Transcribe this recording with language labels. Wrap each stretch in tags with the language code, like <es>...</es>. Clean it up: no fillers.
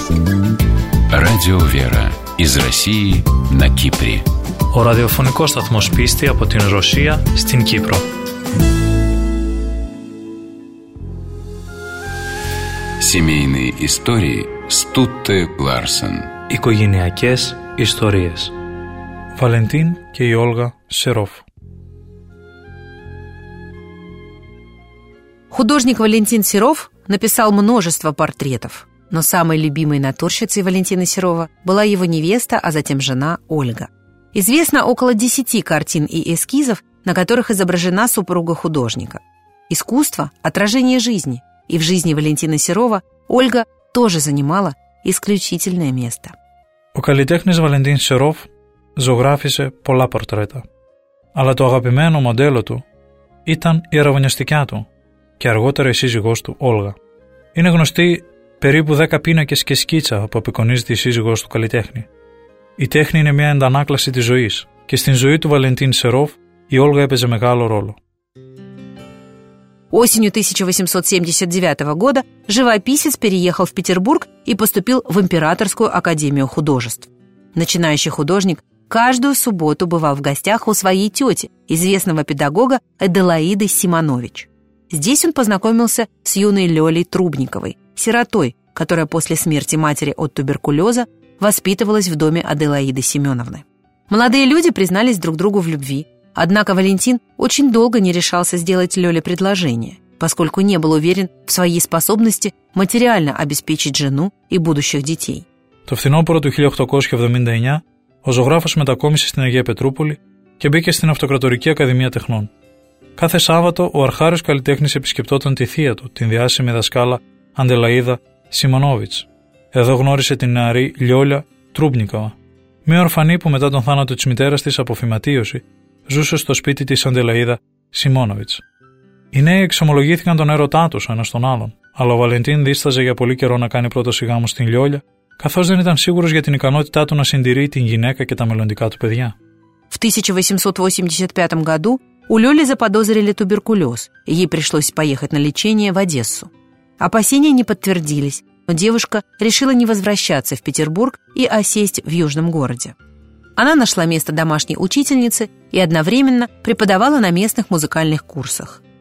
<ru>Радио Вера из России на Кипре.</ru> <el>О радиофонико сатмос писти από την Ρωσία στην Κύπρο.</el> <ru>Семейные истории Стутте Ларсен.</ru> <el>Οικογενειακές ιστορίες. Βαλεντίν και η Όλγα Σερόφ.</el> <ru>Художник Валентин Серов написал множество портретов. Но самой любимой натурщицей Валентина Серова была его невеста, а затем жена Ольга. Известно около 10 картин и эскизов, на которых изображена супруга художника. Искусство – отражение жизни. И в жизни Валентина Серова Ольга тоже занимала исключительное место.</ru> <el>Ο καλλιτέχνης Валентин Серов ζωγράφισε πολλά πορτρέτα. Αλλά το αγαπημένο μοντέλο του ήταν η ερωβωνιαστικιά του και αργότερα η σύζυγός του, Όλγα. Είναι γνωστή περίπου 10 πίνακες και σκίτσα που απεικονίζεται η σύζυγός του καλλιτέχνη. Η τέχνη είναι μια αντανάκλαση της ζωής και στην ζωή του Βαλεντίν Σερόφ η Όλγα έπαιζε μεγάλο ρόλο.</el> <ru>Осенью 1879 года живописец переехал в Петербург и поступил в Императорскую академию художеств. Начинающий художник каждую субботу бывал в гостях у своей тети, известного педагога Аделаиды Симонович. Здесь он познакомился с юной Лёлей Трубниковой, сиротой, которая после смерти матери от туберкулеза воспитывалась в доме Аделаиды Семеновны. Молодые люди признались друг другу в любви, однако Валентин очень долго не решался сделать Лёле предложение. поскольку не был уверен в своей способности материально обеспечить жену и будущих детей.</ru> <el>Το φθινόπωρο του 1879 ο ζωγράφος μετακόμισε στην Αγία Πετρούπολη και μπήκε στην Αυτοκρατορική Ακαδημία Τεχνών. Κάθε Σάββατο ο αρχάριος καλλιτέχνης επισκεπτόταν τη θεία του, την διάσημη δασκάλα Αντελαίδα Σιμονόβιτς. Εδώ γνώρισε την νεαρή Λιόλια Τρούμπνικαβα, μια ορφανή που μετά τον θάνατο της μητέρας της από φυματίωση ζούσε στο σπίτι της Αντελαίδα Σιμόνοβιτς. Οι νέοι εξομολογήθηκαν τον έρωτά τους ένας τον άλλον, αλλά ο Βαλεντίν δίσταζε για πολύ καιρό να κάνει πρόταση γάμου στην Λιόλια, καθώς δεν ήταν σίγουρος για την ικανότητά του να συντηρεί την γυναίκα και τα μελλοντικά του παιδιά.</el> <ru>В 1885 году у Лёли заподозрили туберкулёз, и ей пришлось поехать на лечение в Одессу. Опасения не подтвердились, но девушка решила не возвращаться в Петербург и осесть в Южном городе. Она нашла место домашней учительницы и одновременно преподавала на местных музыкальных курсах.</ru>